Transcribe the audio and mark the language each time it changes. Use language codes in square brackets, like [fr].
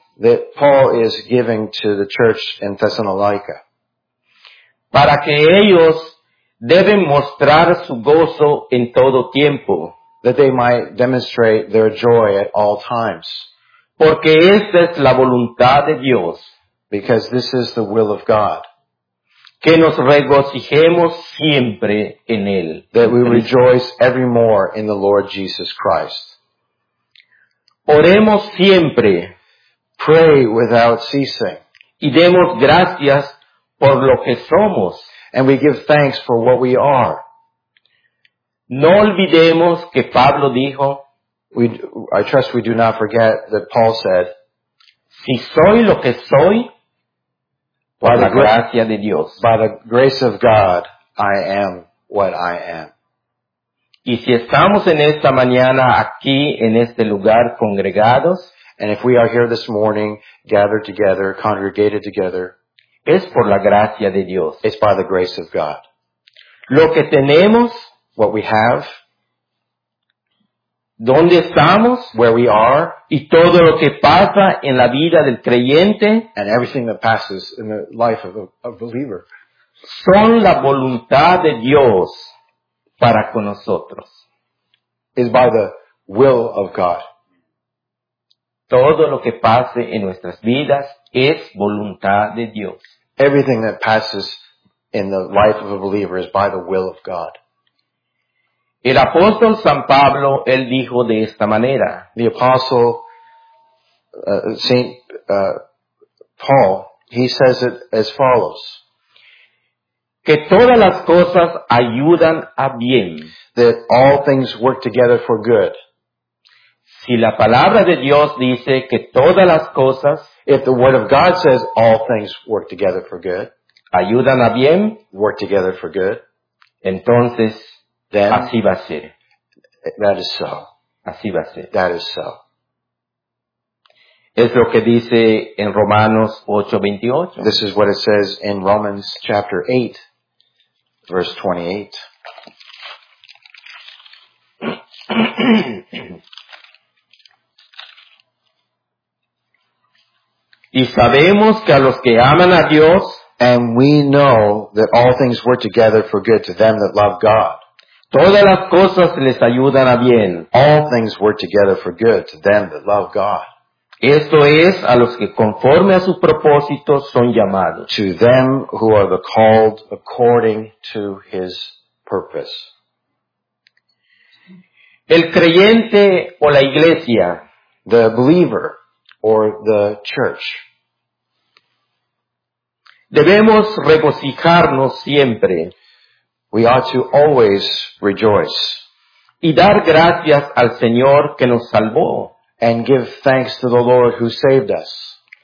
[en] That Paul is giving to the church in Thessalonica. [es] Para que ellos deben mostrar su gozo en todo tiempo. [en] That they might demonstrate their joy at all times. [es] Porque esta es la voluntad de Dios. [en] Because this is the will of God. [es] Que nos regocijemos siempre en Él. [en] That we rejoice evermore in the Lord Jesus Christ. [es] Oremos siempre. [en] Pray without ceasing. [es] Y demos gracias por lo que somos. [en] And we give thanks for what we are. [es] No olvidemos que Pablo dijo. [en] I trust we do not forget that Paul said, [es] si soy lo que soy, por la gracia de Dios. [en] By the grace of God, I am what I am. [es] Y si estamos en esta mañana aquí, en este lugar, congregados, [en] and if we are here this morning, gathered together, congregated together, [es] es por la gracia de Dios. [en] It's by the grace of God. [es] Lo que tenemos, [en] what we have, [es] dónde estamos, [en] where we are, [es] y todo lo que pasa en la vida del creyente, [en] and everything that passes in the life of a believer, [es] son la voluntad de Dios para con nosotros. [en] Is by the will of God. [es] Todo lo que pase en nuestras vidas es voluntad de Dios. [en] Everything that passes in the life of a believer is by the will of God. [es] El apóstol San Pablo, él dijo de esta manera. [en] The apostle, Saint, Paul, he says it as follows. [es] Que todas las cosas ayudan a bien. [en] That all things work together for good. [es] Si la palabra de Dios dice que todas las cosas, [en] if the word of God says all things work together for good, [es] ayudan a bien, [en] work together for good, [es] entonces, [en] then, [es] así va a ser. [en] That is so. [es] Así va a ser. [en] That is so. [es] Es lo que dice en Romanos 8:28. [en] This is what it says in Romans chapter 8, verse 28. [es] Y sabemos que a los que aman a Dios, [en] and we know that all things work together for good to them that love God. [es] Todas las cosas les ayudan a bien. [en] All things work together for good to them that love God. [es] Esto es a los que conforme a su propósito son llamados. [en] To them who are the called according to his purpose. [es] El creyente o la iglesia. [en] The believer or the church. [es] Debemos regocijarnos siempre. [en] We ought to always rejoice. [es] Y dar gracias al Señor que nos salvó. [en] And give thanks to the Lord who saved us.